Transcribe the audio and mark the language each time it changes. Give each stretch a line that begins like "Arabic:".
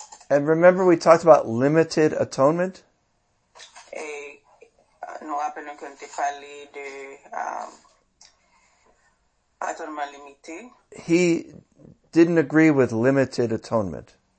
English: And remember we talked about limited atonement?
French: nous rappelons qu'on t'a parlé de atonement limité.
English: He didn't agree with limited atonement.